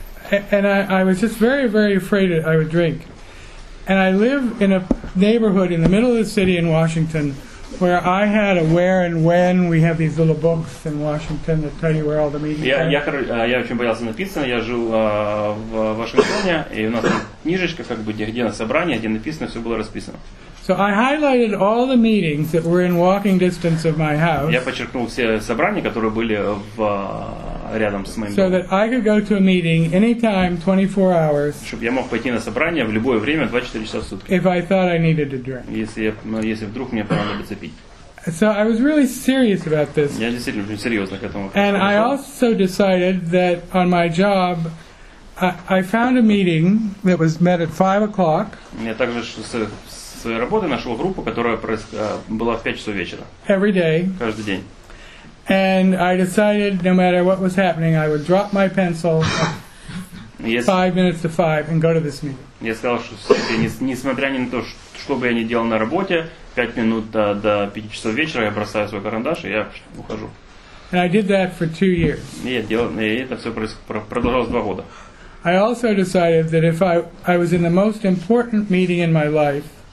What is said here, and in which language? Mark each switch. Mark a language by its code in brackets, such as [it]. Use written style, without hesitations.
[en] And I was just very, very afraid that I would drink. And I live in a neighborhood in the middle of the city in Washington where I had a where and when. We have these little books in Washington that tell you where all the meetings are. [ru] Я очень боялся написано. Я жил в Вашингтоне, и у нас книжечка, как бы, где на собрание, где написано, все было расписано. [en] So I highlighted all the meetings that were in walking distance of my house. [ru] Я подчеркнул все собрания, которые были рядом с моим домом. [en] So that I could go to a meeting anytime, 24 hours. [ru] Чтобы я мог пойти на собрание в любое время, 24 часа в сутки. [en] If I thought I needed to drink. [ru] Если вдруг мне понадобится пить. [en] So I was really serious about this. [ru] Я действительно очень серьезно к этому. [en] And I also decided that on my job. I found a meeting that was met at 5 o'clock. [ru] Я также своей работы нашел группу, которая была в 5 часов вечера. [en] Every day. [ru] Каждый день. [en] And I decided, no matter what was happening, I would drop my pencil 5 minutes to 5 and go to this meeting. [ru] Я сказал, что несмотря ни на то, что бы я ни делал на работе, 5 минут до 5 часов вечера я бросаю свой карандаш и я ухожу. [en] And I did that for 2 years. [ru] И это все продолжалось 2 года. [en] I also decided that if I was in the most important meeting in my life.